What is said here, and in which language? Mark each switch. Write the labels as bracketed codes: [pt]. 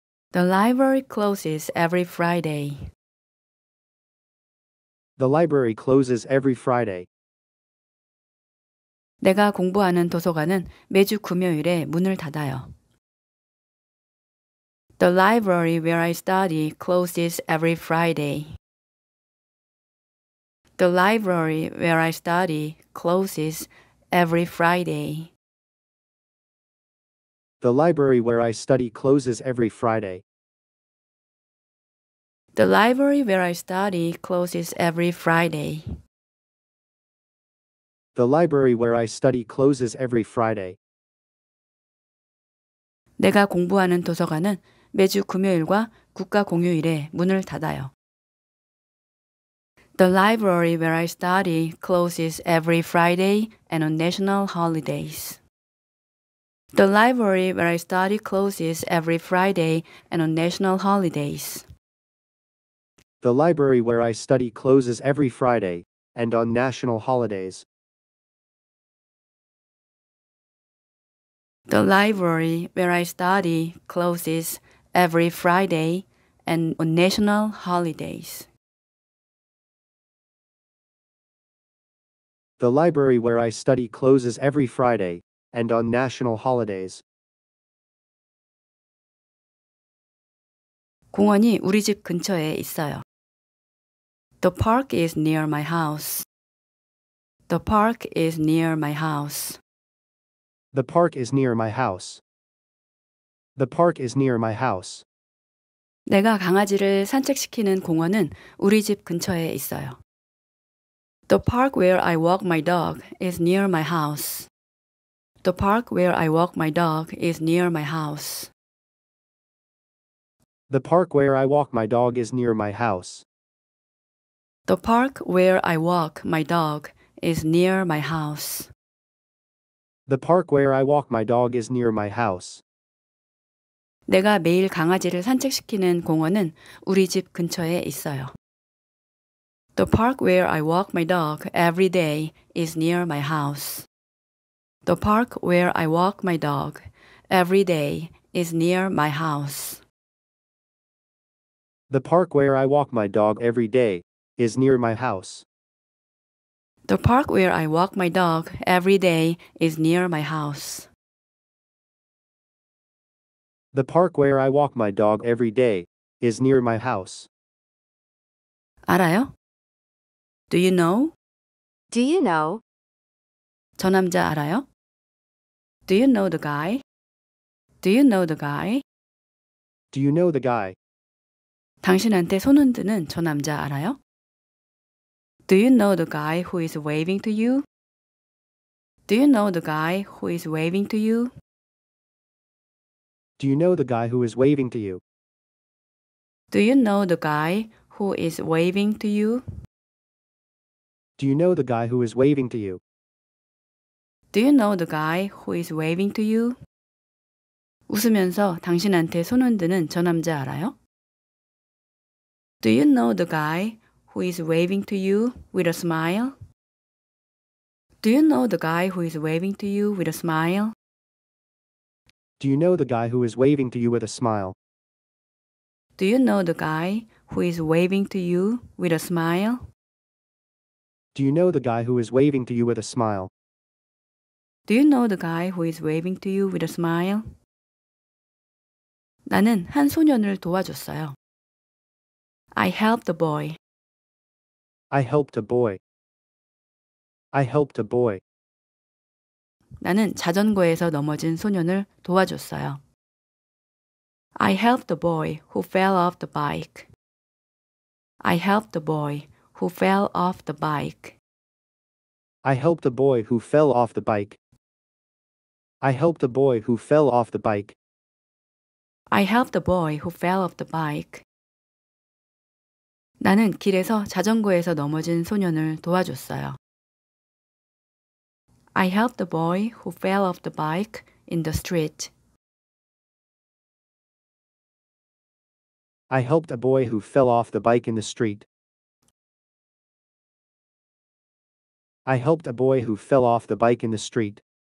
[en] The library closes every Friday. The library closes every Friday. [ko] 내가 공부하는 도서관은 매주 금요일에 문을 닫아요. [en] The library where I study closes every Friday. The library where I study closes every Friday. The library where I study closes every Friday. The library where I study closes every Friday. The library where I study closes every Friday. [ko] 내가 공부하는 도서관은 매주 금요일과 국가 공휴일에 문을 닫아요. [en] The library where I study closes every Friday and on national holidays. The library where I study closes every Friday and on national holidays. The library where I study closes every Friday and on national holidays. The library where I study closes every Friday and on national holidays. The library where I study closes every Friday and on national holidays. [ko] 공원이 우리 집 근처에 있어요. [en] The park is near my house. The park is near my house. The park is near my house. The park is near my house. [ko] 내가 강아지를 산책시키는 공원은 우리 집 근처에 있어요. [en] The park where I walk my dog is near my house. The park where I walk my dog is near my house. The park where I walk my dog is near my house. The park where I walk my dog is near my house. The park where I walk my dog is near my house. [ko] 내가 매일 강아지를 산책시키는 공원은 우리 집 근처에 있어요. [en] The park where I walk my dog every day is near my house. The park where I walk my dog every day is near my house. The park where I walk my dog every day is near my house. The park where I walk my dog every day is near my house. The park where I walk my dog every day is near my house. [ko] 알아요? [en] Do you know? Do you know? [ko] 저 남자 알아요? [en] Do you know the guy? Do you know the guy? Do you know the guy? [ko] 당신한테 손 흔드는 저 남자 알아요? [en] Do you know the guy who is waving to you? Do you know the guy who is waving to you? Do you know the guy who is waving to you? Do you know the guy who is waving to you? Do you know the guy who is waving to you? Do you know the guy who is waving to you? [ko] 웃으면서 당신한테 손 흔드는 저 남자 알아요? [en] Do you know the guy who is waving to you with a smile? Do you know the guy who is waving to you with a smile? Do you know the guy who is waving to you with a smile? Do you know the guy who is waving to you with a smile? Do you know the guy who is waving to you with a smile? Do you know the guy who is waving to you with a smile? [ko] 나는 한 소년을 도와줬어요. [en] I helped a boy. I helped a boy. I helped a boy. [ko] 나는 자전거에서 넘어진 소년을 도와줬어요. [en] I helped a boy who fell off the bike. I helped a boy who fell off the bike. I helped a boy who fell off the bike. I helped a boy who fell off the bike. I helped a boy who fell off the bike. [ko] 나는 길에서 자전거에서 넘어진 소년을 도와줬어요. [en] I helped the boy who fell off the bike in the street. I helped a boy who fell off the bike in the street. I helped a boy who fell off the bike in the street.